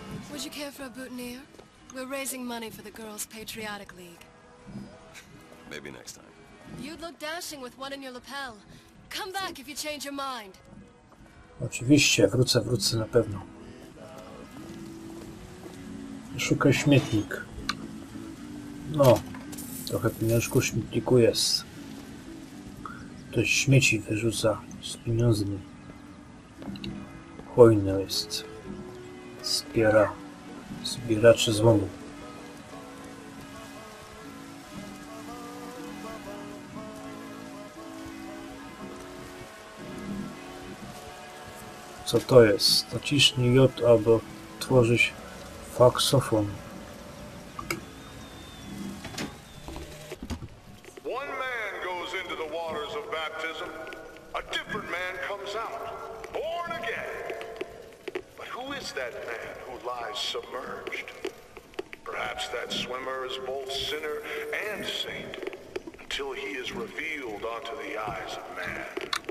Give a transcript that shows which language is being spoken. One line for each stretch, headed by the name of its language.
English: Would you care for a boutonniere? We're raising money for the Girls Patriotic League. Maybe next time. You'd look dashing with one in your lapel. Come back if you change your mind.
Polish: Oczywiście, wrócę na pewno. Szukaj śmietnik. No, trochę pieniążku śmietniku jest. Ktoś śmieci wyrzuca z pieniędzmi. Hojny jest. Zbieracze złomu. Co to jest? Naciśnij J, aby tworzyć faksofon.
English: One man goes into the waters of baptism, a different man comes out, born again. But who is that man who lies submerged? Perhaps that swimmer is both sinner and saint, until he is revealed onto the eyes of man.